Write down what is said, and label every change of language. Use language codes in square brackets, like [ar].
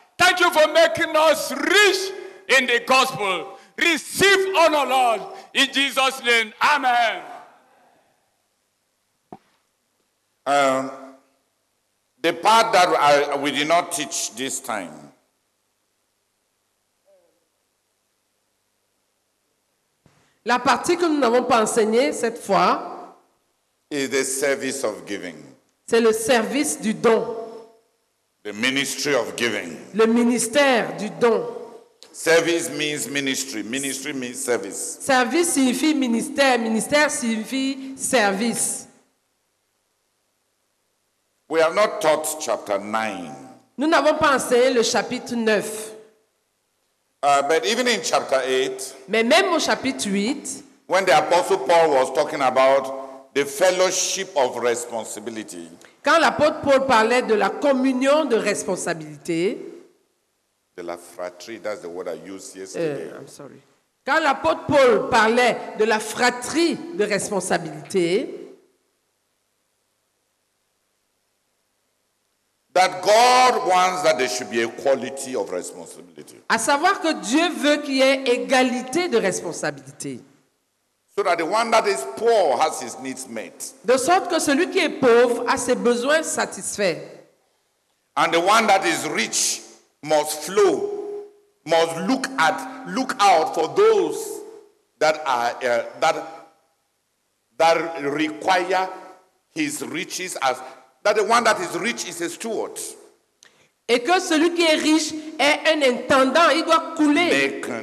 [en] Thank you for making us rich in the gospel. Receive honor, Lord, in Jesus' name. Amen. The part that we did not teach this time. [fr] La partie que nous n'avons pas enseignée cette fois [en] is the service of giving. [fr] C'est le service du don. [en] The ministry of giving. [fr] Le ministère du don. [en] Service means ministry. Ministry means service. [fr] Service signifie ministère. Ministère signifie service. [en] We have not taught chapter 9. [fr] Nous n'avons pas enseigné le chapitre 9. [en] But even in chapter 8, [fr] mais même au chapitre 8, [en] when the apostle Paul was talking about the fellowship of responsibility, [fr] quand l'apôtre Paul parlait de la communion de responsabilité, de la fratrie, [en] that's the word I used yesterday. I'm sorry. [fr] Quand l'apôtre Paul parlait de la fratrie de responsabilité, [en] that God wants that there should be equality of responsibility. [fr] À savoir que Dieu veut qu'il y ait égalité de responsabilité. [en] So that the one that is poor has his needs met. [fr] De sorte que celui qui est pauvre a ses besoins satisfaits. [en] And the one that is rich must flow, must look out for those that are that require his riches as. That the one that is rich is a steward. [fr] Et que celui qui est riche est un intendant, il doit couler.